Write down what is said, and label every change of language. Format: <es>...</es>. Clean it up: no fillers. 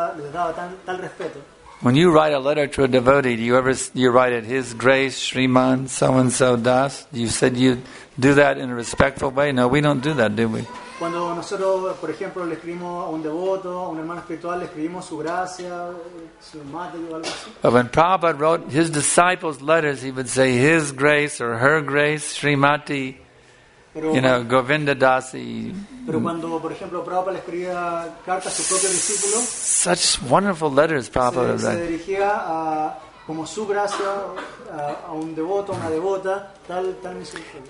<en>When you write a letter to a devotee, do you write it, His Grace Sriman So and So Das? You said you do that in a respectful way. No, we don't do that, do we?</en> <es>Cuando nosotros, por ejemplo, le escribimos a un devoto, a un hermano espiritual, le escribimos su gracia, su madre o algo así.</es> <en>But when Prabhupada wrote his disciples' letters, he would say His Grace or Her Grace, Srimati, Govinda Dasi.</en> <es>Pero cuando, por ejemplo, Prabhupada le escribía cartas a su propio discípulo,</es> <en>such wonderful letters Prabhupada</en> <es>se dirigía a como su gracia a un devoto, a una devota, tal misericordia.</es>